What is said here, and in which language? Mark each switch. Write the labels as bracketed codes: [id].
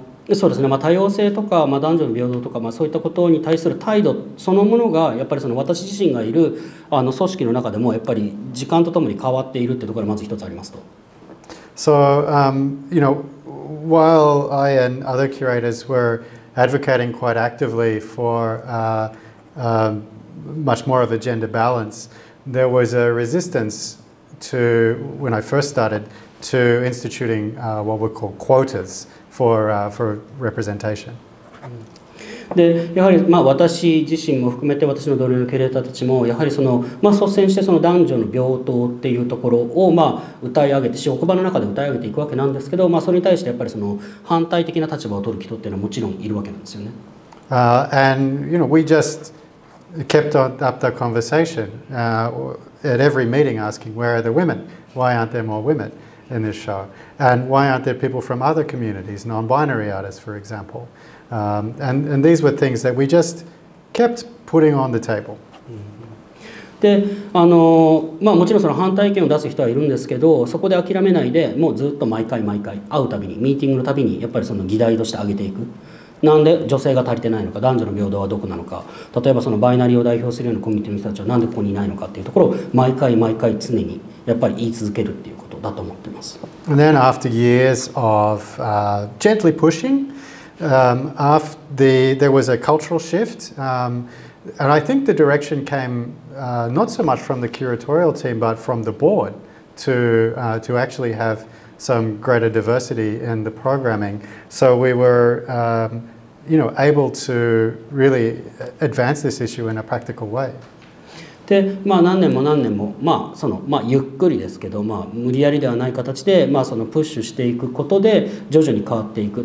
[ja] そうですね、まあ、多様性とか、まあ、男女の平等とか、まあ、そういったことに対する態度そのものがやっぱりその私自身がいる組織の中でもやっぱり時間とともに変わっているっていうところがまず一つありますと。 [en] So, you know, while I and other curators were advocating quite actively for much more of a gender balance, there was a resistance to, when I first started, to instituting what were called quotas.For representation. [ja] でやはり、まあ、私自身も含めて私の同僚のキュレーターたちもやはりその、まあ、率先してその男女の平等っていうところを、まあ、歌い上げて職場の中で歌い上げていくわけなんですけど、まあ、それに対してやっぱりその反対的な立場を取る人っていうのはもちろんいるわけなんですよね。 [en] And you know, we just kept up the conversation at every meeting asking where are the women? Why aren't there more women in this show? And why aren't there people from other communities, non-binary artists, for example? And these were things that we just kept putting on the table. [ja] で、まあ、もちろんその反対意見を出す人はいるんですけど、そこで諦めないで、もうずっと毎回毎回会うたびに、ミーティングのたびにやっぱりその議題として上げていく。なんで女性が足りてないのか、男女の平等はどこなのか、例えばそのバイナリーを代表するようなコミュニティの人たちはなんでここにいないのかっていうところを毎回毎回常にやっぱり言い続けるっていうことだと思ってます。 [en] And then after years of gently pushing,there was a cultural shift, and I think the direction came not so much from the curatorial team, but from the board to actually have some greater diversity in the programming. So we were, you know, able to really advance this issue in a practical way. [ja] でまあ、何年も何年も、まあそのまあ、ゆっくりですけど、まあ、無理やりではない形で、まあ、そのプッシュしていくことで徐々に変わっていく。